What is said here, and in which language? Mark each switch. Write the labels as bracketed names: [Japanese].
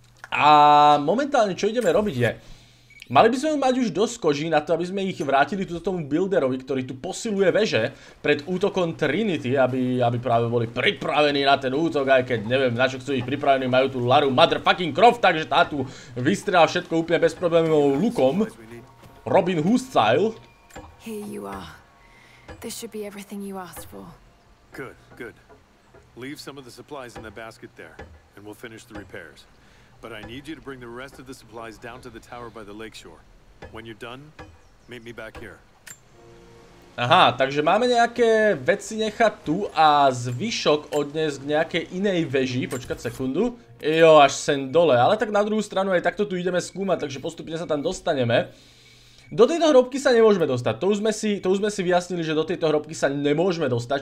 [Slovak] A momentálne čo ideme robiť je, mali by sme mať už dosť koží na to, aby sme ich vrátili tuto tomu builderovi, ktorý tu posiluje veže pred útokom Trinity, aby práve boli pripravení na ten útok, aj keď neviem, na čo chcú ich pripravení, majú tu Laru motherfucking Croft, takže tá tu vystrela všetko úplne bez problémov lukom. [English] Robin Hood style. Here you are. This should be everything you asked for. Good, good. Leave some of the supplies in the basket there and we'll finish the repairs. But I need you to bring the rest of the supplies down to the tower by the lakeshore. When you're done, meet me back here. [Slovak] Aha, takže máme nejaké veci nechať tu a zvyšok odniesť k nejakej inej veži. Počkať sekundu. Jo, až sem dole. Ale tak na druhú stranu aj takto tu ideme skúmať, takže postupne sa tam dostaneme. Do tejto hrobky sa nemôžeme dostať. To už sme si vyjasnili, že do tejto hrobky sa nemôžeme dostať.